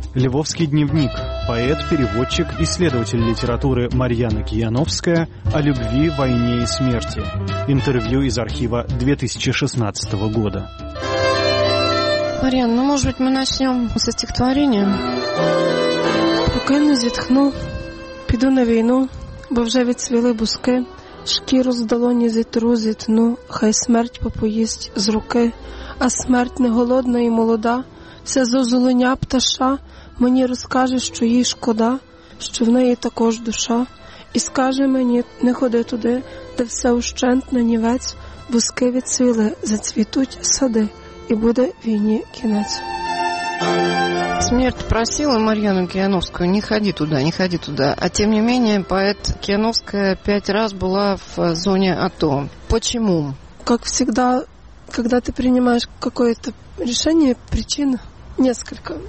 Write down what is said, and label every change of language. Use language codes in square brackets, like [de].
[ru] Львовский дневник. Поэт, переводчик, исследователь литературы Марьяна Кияновская о любви, войне и смерти. Интервью из архива 2016 года. Марьяна, ну, может быть, мы начнем со стихотворения? [uk] Руки не зітхну, піду на війну, бо вже відцвіли буски. Шкіру з долоні зітру, зітну, хай смерть попоїсть з руки. А смерть не голодна і молода, все зозуленя пташа, мені розкаже, що їй шкода, що в неї також душа. І скаже мені, не ходи туди, де все ущент на нівець, вузки відцвіли, зацвітуть сади, і буде війні кінець. [ru] Смерть просила Марьяну Кияновскую: не ходи туда, не ходи туда. А тем не менее, поэт Кияновская 5 раз была в зоне АТО. Почему? Как всегда, когда ты принимаешь какое-то решение, причин несколько.